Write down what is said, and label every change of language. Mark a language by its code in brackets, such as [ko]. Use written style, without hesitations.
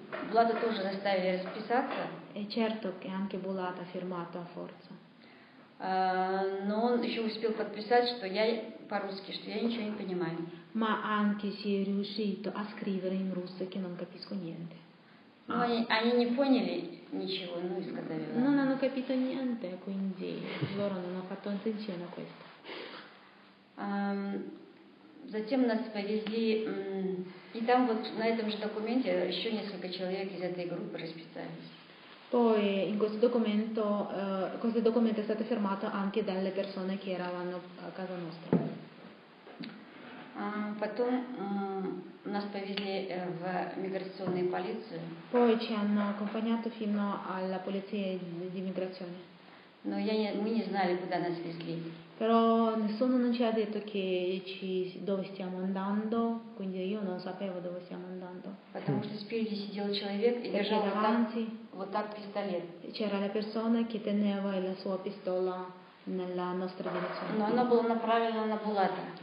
[ru] Влада тоже заставили расписаться. [it] E certo che anche Булата firmato a forza. [ru] Но он еще успел подписать, что я по-русски, что я ничего не понимаю. [it] Ma anche si è riuscito a scrivere in russo che non capisco niente. [ru] Ну, они не поняли ничего, ну и сказали. [it] Non hanno capito niente, quindi loro non hanno fatto attenzione a questo. [ru] Затем нас повезли, и там вот на этом же документе еще несколько человек из этой группы расписались. [it] Poi in questo documento è stato firmato anche dalle persone che eravano a casa nostra. [ru] Потом нас повезли в миграционную полицию. [it] Poi ci hanno accompagnato fino alla polizia di immigrazione. [ru] Но мы не знали, куда нас везли. [it] Però nessuno non ci ha detto che dove stiamo andando, quindi io non sapevo dove stiamo andando. Perché davanti c'era la persona che teneva la sua pistola nella nostra direzione.